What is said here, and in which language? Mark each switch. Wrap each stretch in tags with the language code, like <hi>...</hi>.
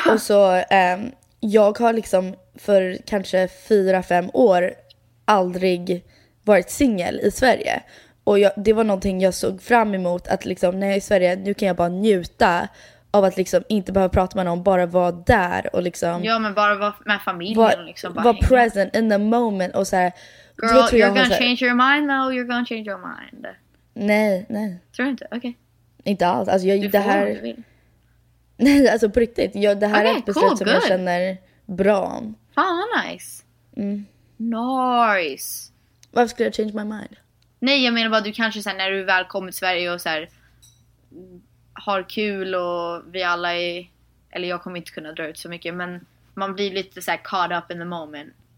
<sv>Och så, jag har liksom för kanske 4-5 år aldrig varit singel i Sverige. Och det var någonting jag såg fram emot, att liksom, när jag är i Sverige, nu kan jag bara njuta av att liksom inte behöva prata med någon, bara vara där och liksom, ja, men bara vara med familjen, var, liksom bara</sv> <en>var present in the moment</en> <sv>och så här,</sv> <en>girl,</en> <sv>tror</sv> <en>you're gonna change your mind though, you're gonna change your mind.</en> <sv>Nej, tror du inte? Okay. Inte alls, alltså nej, alltså på riktigt, det här är ett beslut som jag känner bra om. Fan vad nice. Nice. Varför skulle jag</sv> <en>change my mind?</en> <sv>Nej, jag menar bara, du kanske sen när du väl kommer till Sverige och så här har kul och vi alla är, eller jag kommer inte kunna dra ut så mycket, men man blir lite så här</sv> <en>caught up in the moment.</en>